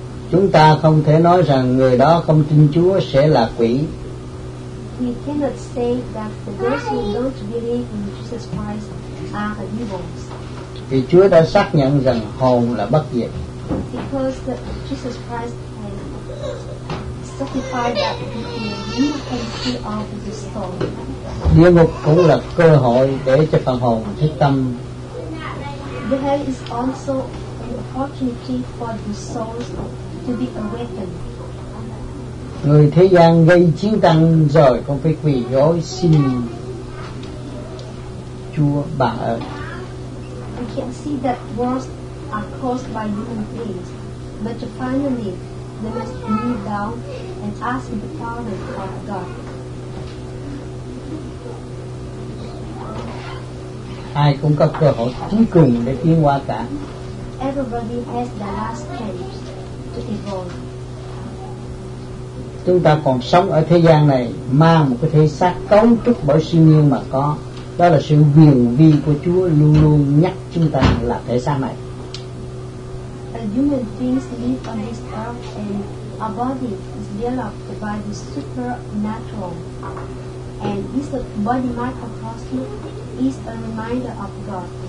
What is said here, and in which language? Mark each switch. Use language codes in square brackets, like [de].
[vi] Chúng ta không thể nói rằng người đó không tin Chúa sẽ là quỷ. [en] We cannot say that the those who don't believe in Jesus Christ are demons. [vi] Vì Chúa đã xác nhận rằng hồn là bất diệt. [en] Because Jesus Christ has certified that the immortality of the soul. [vi] Địa ngục cũng là cơ hội để cho phần hồn thức tâm. [en] The hell is also an opportunity for the souls to be awakened. [vi] Người thế gian gây chiến tranh rồi con phải quỳ gối xin Chúa bà ơi. [en] We can see that wars are caused by human beings, but finally they must kneel down and ask the pardon of God. [vi] Ai cũng có cơ hội cuối cùng để tiến qua cả. [en] Everybody has the last chance to [vi] Chúng ta còn sống ở thế gian này mang một cái thể xác cấu trúc bởi siêu nhiên mà có. Đó là sự huyền vi của Chúa luôn luôn nhắc chúng ta là thể xác này. [en] Human beings live on this earth and a body is developed by the supernatural. And this body mark across you is a reminder of God.